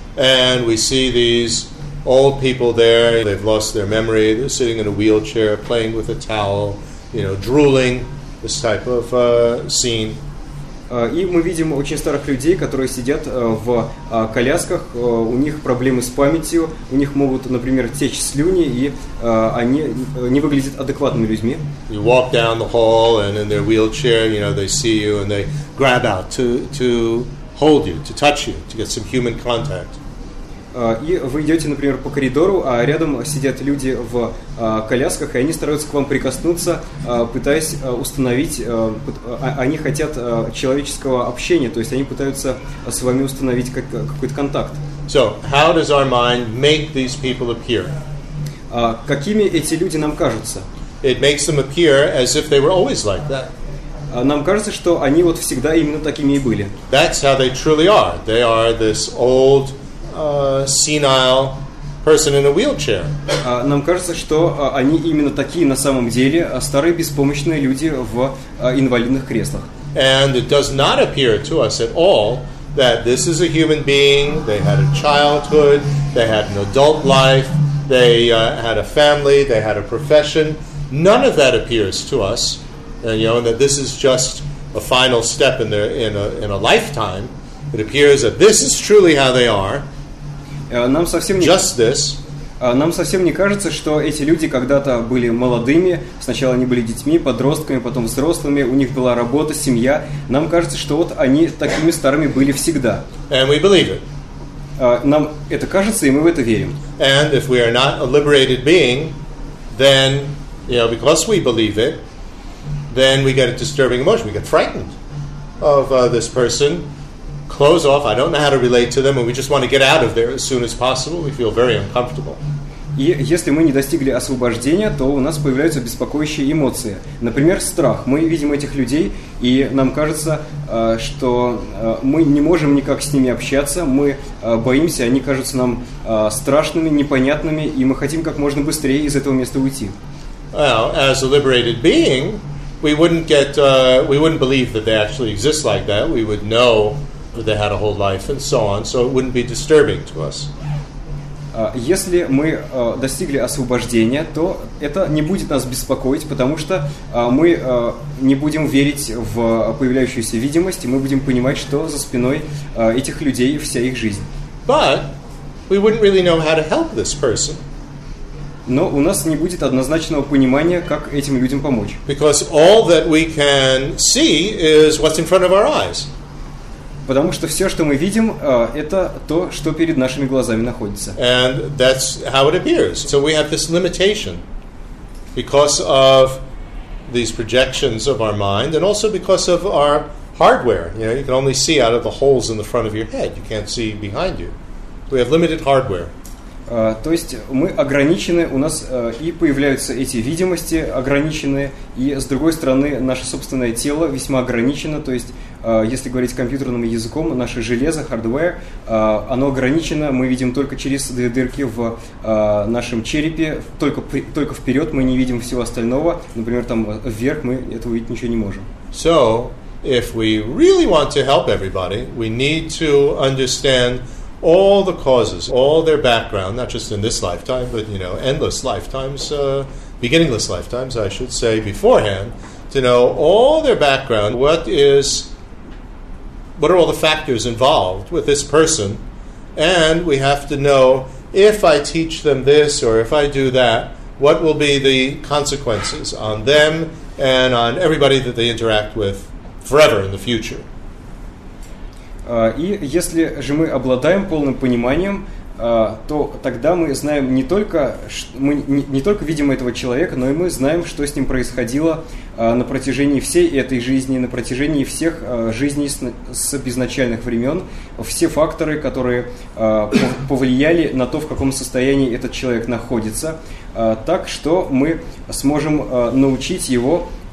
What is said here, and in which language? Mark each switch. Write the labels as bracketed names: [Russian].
[English] And we see these old people there. They've lost their memory. They're sitting in a wheelchair, playing with a towel, you know, drooling. This type of scene. [Russian] И мы видим очень старых людей, которые сидят в колясках, у них проблемы с памятью, у них могут, например, течь слюни, и они не выглядят адекватными людьми. [English] You walk down the hall, and in their wheelchair, you know, they see you, and they grab out to hold you, to touch you, to get some human contact. [Russian] И вы идете, например, по коридору, а рядом сидят люди в колясках, и они стараются к вам прикоснуться, пытаясь установить, они хотят человеческого общения, то есть они пытаются с вами установить какой-то контакт. [English] So, how does our mind make these people appear? [Russian] Какими эти люди нам кажутся? [English] It makes them appear as if they were always like that. [Russian] Нам кажется, что они вот всегда именно такими и были. [English] That's how they truly are. They are this old, senile, person in a wheelchair. [Russian] Нам кажется, что они именно такие на самом деле, старые беспомощные люди в инвалидных креслах. [English] And it does not appear to us at all that this is a human being. They had a childhood, they had an adult life, they had a family, they had a profession. None of that appears to us, you know, and that this is just a final step in their in a lifetime. It appears that this is truly how they are. [Russian] Нам совсем не кажется, что эти люди когда-то были молодыми. Сначала они были детьми, подростками, потом взрослыми. У них была работа, семья. Нам кажется, что вот они такими старыми были всегда. [English] And we believe it. [Russian] Нам это кажется, и мы в это верим. [English] And if we are not a liberated being, then, you know, because we believe it, then we get a disturbing emotion. We get frightened of this person. Close off. I don't know how to relate to them, and we just want to get out of there as soon as possible. We feel very uncomfortable. [Russian] Если мы не достигли освобождения, то у нас появляются беспокоящие эмоции. Например, страх. Мы видим этих людей, и нам кажется, что мы не можем никак с ними общаться. Мы боимся. Они кажутся нам страшными, непонятными, и мы хотим как можно быстрее из этого места уйти. [English] Well, as a liberated being, we wouldn't believe that they actually exist like that. We would know. They had a whole life and so on, so it wouldn't be disturbing to us. [Russian] Если мы достигли освобождения, то это не будет нас беспокоить, потому что мы не будем верить в появляющуюся видимость, и мы будем понимать, что за спиной этих людей вся их жизнь. [English] But we wouldn't really know how to help this person. [Russian] Но у нас не будет однозначного понимания, как этим людям помочь. [English] Because all that we can see is what's in front of our eyes. [Russian] Потому что все, что мы видим, это то, что перед нашими глазами находится. [English] And that's how it appears. So we have this limitation because of these projections of our mind and also because of our hardware. You know, you can only see out of the holes in the front of your head. You can't see behind you. We have limited hardware. [Russian] То есть мы ограничены, у нас и появляются эти видимости ограниченные, и с другой стороны наше собственное тело весьма ограничено, то есть если говорить компьютерным языком, наше железо, hardware, оно ограничено, мы видим только через две дырки в нашем черепе, только вперед мы не видим всего остального, например, там вверх мы этого видеть ничего не можем. [English] So, if we really want to help everybody, we need to understand all the causes, all their background, not just in this lifetime, but, you know, endless lifetimes, beginningless lifetimes, I should say, beforehand, to know all their background, what are all the factors involved with this person, and we have to know, if I teach them this or if I do that, what will be the consequences on them and on everybody that they interact with forever in the future. [Russian] И если же мы обладаем полным пониманием, то тогда мы знаем не только, мы не только видим этого человека, но и мы знаем, что с ним происходило на протяжении всей этой жизни, на протяжении всех жизней с безначальных времен, все факторы, которые повлияли на то, в каком состоянии этот человек находится, так что мы сможем научить его